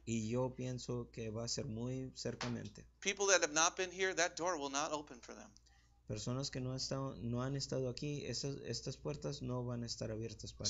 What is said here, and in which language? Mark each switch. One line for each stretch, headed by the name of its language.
Spanish: y yo pienso que va a ser muy cercamente,
English: people that have not been here, that door will not open for them.
Spanish: Personas que no han estado aquí, estas puertas no van a estar abiertas para